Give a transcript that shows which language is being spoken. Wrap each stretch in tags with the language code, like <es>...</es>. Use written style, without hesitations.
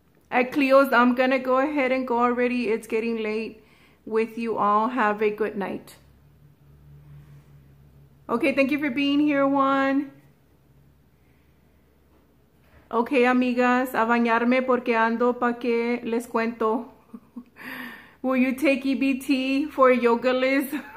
<en>At Cleo's, I'm gonna go ahead and go already. It's getting late with you all. Have a good night. Okay, thank you for being here, Juan.</en> <es>Okay, amigas, a bañarme porque ando pa' que les cuento.</es> <en>Will you take EBT for yoga, Liz?</en>